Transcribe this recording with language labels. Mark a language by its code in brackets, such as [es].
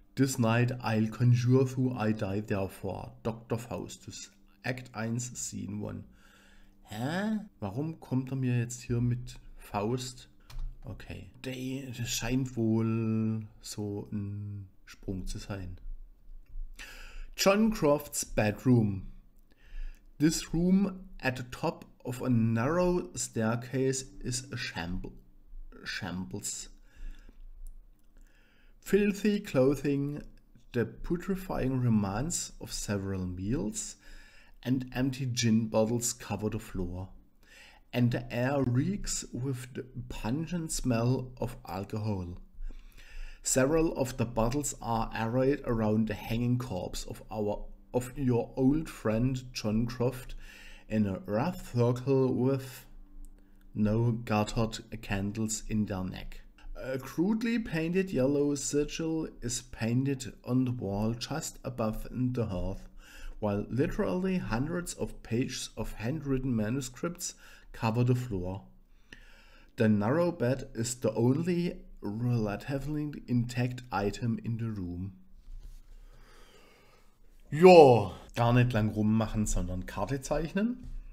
[en] This night I'll conjure who I die therefore. Dr. Faustus. Act 1, Scene 1. Hä? [de] Warum kommt er mir jetzt hier mit Faust? Okay. Das scheint wohl so ein Sprung zu sein. [en] John Crofts Bedroom. This room at the top of a narrow staircase is a shambles. Filthy clothing, the putrefying remains of several meals, and empty gin bottles cover the floor, and the air reeks with the pungent smell of alcohol. Several of the bottles are arrayed around the hanging corpse of your old friend John Croft in a rough circle with no guttered candles in their neck. A crudely painted yellow sigil is painted on the wall just above the hearth, while literally hundreds of pages of handwritten manuscripts cover the floor. The narrow bed is the only relatively intact item in the room. [de] Jo, gar nicht lang rummachen, sondern Karte zeichnen.